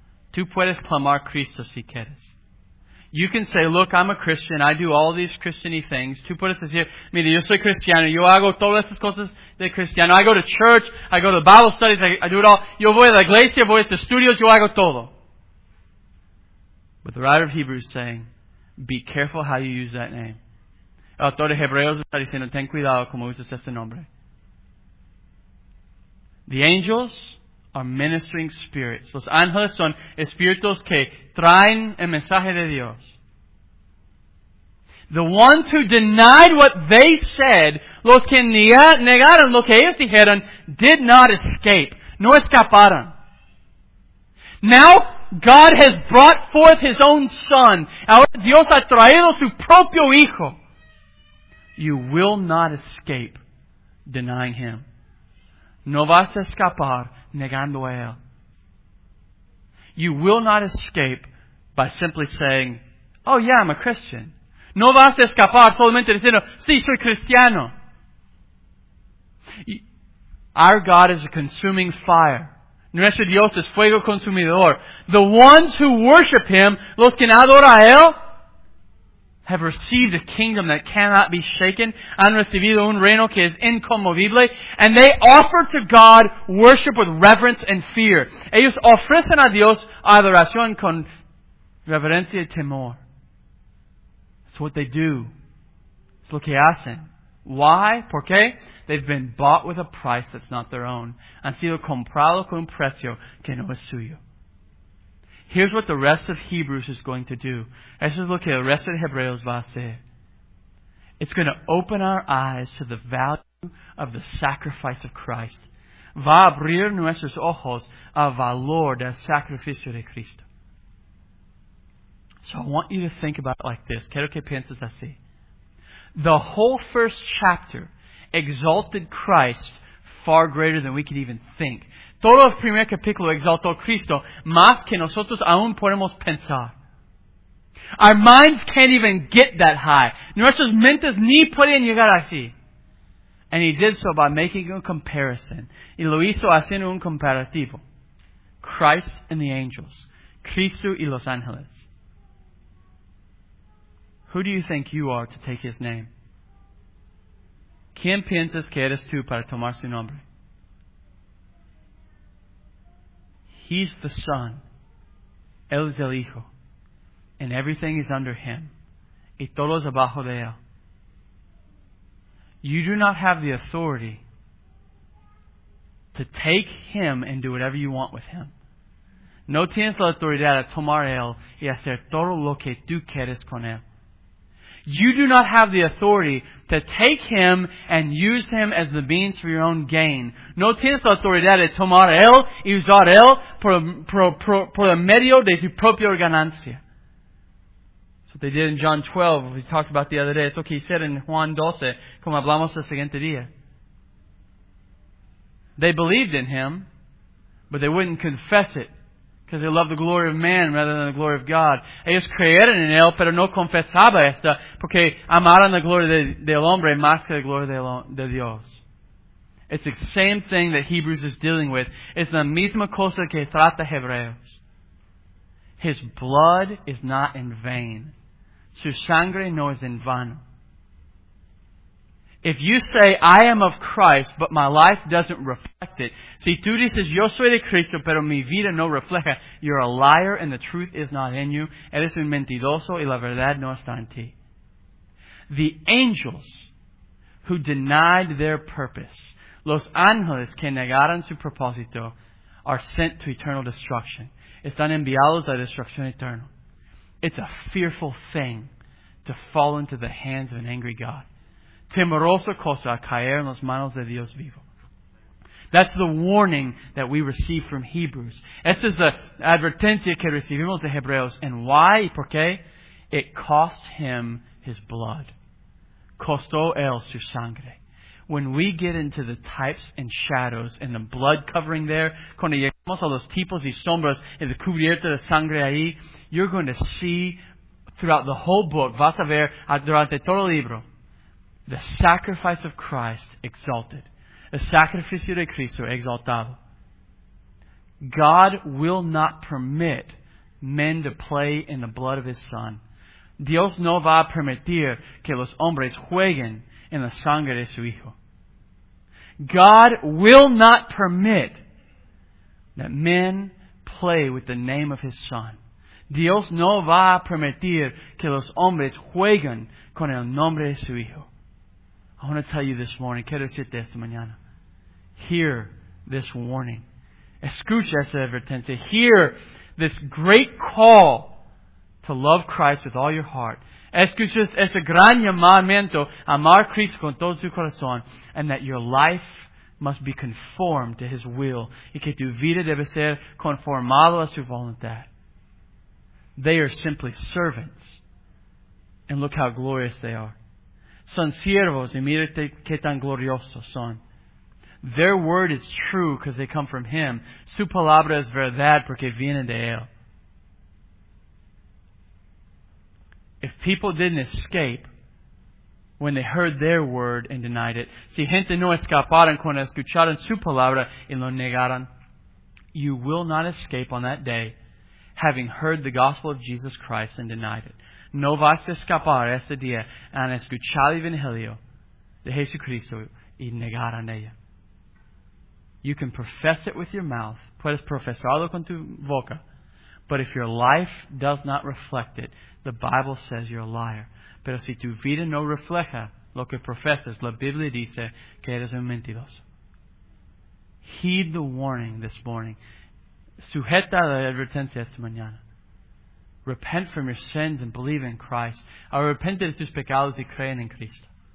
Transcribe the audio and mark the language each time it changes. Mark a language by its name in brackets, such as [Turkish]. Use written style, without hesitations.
[Spanish] Tú puedes clamar Cristo si quieres. [English] You can say, look, I'm a Christian. I do all these Christian-y things. [Spanish] Tú puedes decir, mire, yo soy cristiano. Yo hago todas estas cosas de cristiano. [English] I go to church. I go to Bible studies. I do it all. [Spanish] Yo voy a la iglesia. Voy a estos estudios. Yo hago todo. [English] But the writer of Hebrews is saying, be careful how you use that name. [Spanish] El autor de Hebreos está diciendo, ten cuidado cómo usas ese nombre. [English] The angels are ministering spirits. [Spanish] Los ángeles son espíritus que traen el mensaje de Dios. [English] The ones who denied what they said, [Spanish] los que negaron lo que ellos dijeron, [English] did not escape. [Spanish] No escaparon. [English] Now God has brought forth His own Son. [Spanish] Ahora Dios ha traído su propio Hijo. [English] You will not escape denying Him. [Spanish] No vas a escapar negando a Él. [English] You will not escape by simply saying, oh yeah, I'm a Christian. [Spanish] No vas a escapar solamente diciendo, sí, soy cristiano. [English] Our God is a consuming fire. [Spanish] Nuestro Dios es fuego consumidor. [English] The ones who worship Him, [Spanish] los que adoran a Él, [English] have received a kingdom that cannot be shaken, [Spanish] han recibido un reino que es inconmovible, [English] and they offer to God worship with reverence and fear. [Spanish] Ellos ofrecen a Dios adoración con reverencia y temor. [English] That's what they do. It's [Spanish] lo que hacen. [English] Why? [Spanish] ¿Por qué? [English] They've been bought with a price that's not their own. [Spanish] Han sido comprados con un precio que no es suyo. [English] Here's what the rest of Hebrews is going to do. [Spanish] Eso es lo que el resto de Hebreos va a hacer. [English] It's going to open our eyes to the value of the sacrifice of Christ. [Spanish] Va a abrir nuestros ojos al valor del sacrificio de Cristo. [English] So I want you to think about it like this. [Spanish] Quiero que pienses así. [English] The whole first chapter exalted Christ far greater than we could even think. [Spanish] Todo el primer capítulo exaltó a Cristo más que nosotros aún podemos pensar. [English] Our minds can't even get that high. [Spanish] Nuestras mentes ni pueden llegar así. [English] And He did so by making a comparison. [Spanish] Y lo hizo haciendo un comparativo. [English] Christ and the angels. [Spanish] Cristo y los ángeles. [English] Who do you think you are to take His name? [Spanish] ¿Quién piensas que eres tú para tomar su nombre? [English] He's the Son. [Spanish] Él es el Hijo. [English] And everything is under Him. [Spanish] Y todo es abajo de Él. [English] You do not have the authority to take Him and do whatever you want with Him. [Spanish] No tienes la autoridad a tomar Él y hacer todo lo que tú quieres con Él. [English] You do not have the authority to take Him and use Him as the means for your own gain. [Spanish] No tienes la autoridad de tomar Él y usar Él por el medio de tu propia ganancia. [English] That's what they did in John 12, we talked about the other day. [Spanish] Es lo que hicieron en Juan 12, como hablamos el siguiente día. [English] They believed in Him, but they wouldn't confess it because they loved the glory of man rather than the glory of God. [Spanish] Ellos creyeron en Él, pero no confesaba esta porque amaron la gloria del hombre más que la gloria de Dios. [English] It's the same thing that Hebrews is dealing with. It's [Spanish] la misma cosa que trata Hebreos. [English] His blood is not in vain. [Spanish] Su sangre no es en vano. [English] If you say, I am of Christ, but my life doesn't reflect it. [Spanish] Si tú dices, yo soy de Cristo, pero mi vida no refleja. [English] You're a liar and the truth is not in you. [Spanish] Eres un mentiroso y la verdad no está en ti. [English] The angels who denied their purpose, [Spanish] los ángeles que negaron su propósito, [English] are sent to eternal destruction. [Spanish] Están enviados a destrucción eterna. [English] It's a fearful thing to fall into the hands of an angry God. [Spanish] Temerosa cosa a caer en las manos de Dios vivo. [English] That's the warning that we receive from Hebrews. [Spanish] Esta es la advertencia que recibimos de Hebreos. [English] And why? [Spanish] ¿Por qué? [English] It cost Him His blood. [Spanish] costó él su sangre. [English] When we get into the types and shadows and the blood covering there, [Spanish] cuando llegamos a los tipos y sombras y la cubierta de sangre ahí, [English] you're going to see throughout the whole book, [Spanish] vas a ver durante todo el libro, [English] the sacrifice of Christ exalted. [Spanish] El sacrificio de Cristo exaltado. [English] God will not permit men to play in the blood of His Son. [Spanish] Dios no va a permitir que los hombres jueguen en la sangre de su Hijo. [English] God will not permit that men play with the name of His Son. [Spanish] Dios no va a permitir que los hombres jueguen con el nombre de su Hijo. [English] I want to tell you this morning, [Spanish] quiero decirte esta mañana, [English] hear this warning. [Spanish] Escucha esta advertencia. [English] Hear this great call to love Christ with all your heart. [Spanish] Escucha ese gran llamamiento a amar a Cristo con todo tu corazón, [English] and that your life must be conformed to His will, [Spanish] y que tu vida debe ser conformado a su voluntad. [English] They are simply servants, and look how glorious they are. [Spanish] Son siervos, y mírate qué tan gloriosos son. [English] Their word is true because they come from Him. [Spanish] Su palabra es verdad porque viene de Él. [English] If people didn't escape when they heard their word and denied it, [Spanish] si gente no escaparon cuando escucharon su palabra y lo negaron, [English] you will not escape on that day having heard the gospel of Jesus Christ and denied it. [Spanish] No vas a escapar ese día en escuchar el Evangelio de Jesucristo y negaron ella. [English] You can profess it with your mouth. [Spanish] Puedes profesarlo con tu boca. [English] But if your life does not reflect it, the Bible says you're a liar. [Spanish] Pero si tu vida no refleja lo que profesas, la Biblia dice que eres un mentiroso. [English] Heed the warning this morning. [Spanish] Sujeta la advertencia esta mañana. [English] Repent from your sins and believe in Christ. [Spanish] Arrepente de tus pecados y creen en Cristo.